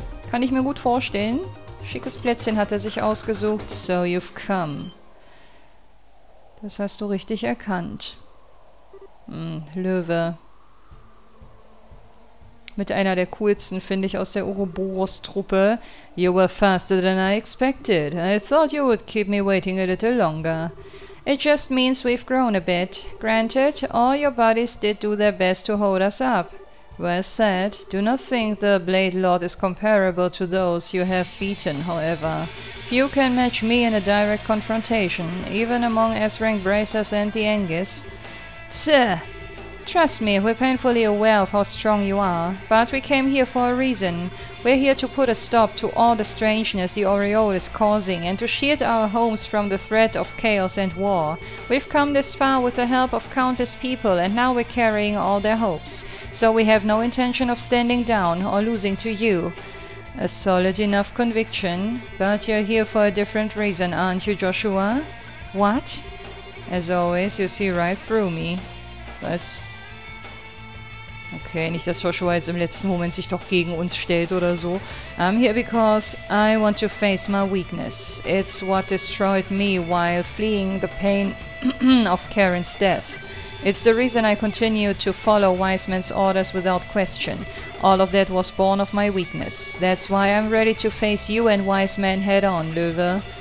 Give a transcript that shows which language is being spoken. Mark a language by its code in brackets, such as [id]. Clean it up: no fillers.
[de] Kann ich mir gut vorstellen. Schickes Plätzchen hat er sich ausgesucht. [en] So, you've come. [de] Das hast du richtig erkannt. Löwe. Mit einer der coolsten, finde ich, aus der Ouroboros-Truppe. [en] You were faster than I expected. I thought you would keep me waiting a little longer. It just means we've grown a bit. Granted, all your buddies did do their best to hold us up. Well said. Do not think the Blade Lord is comparable to those you have beaten, however. Few can match me in a direct confrontation, even among S-Rank Bracers and the Angus. Tch! Trust me, we're painfully aware of how strong you are, but we came here for a reason. We're here to put a stop to all the strangeness the Aureole is causing and to shield our homes from the threat of chaos and war. We've come this far with the help of countless people and now we're carrying all their hopes. So we have no intention of standing down or losing to you. A solid enough conviction, but you're here for a different reason, aren't you, Joshua? What? As always, you see right through me. [de] Was? Okay, nicht, dass Joshua jetzt im letzten Moment sich doch gegen uns stellt oder so. [en] I'm here because I want to face my weakness. It's what destroyed me while fleeing the pain of Karen's death. It's the reason I continued to follow Wiseman's orders without question. All of that was born of my weakness. That's why I'm ready to face you and Wiseman head on, Löwe.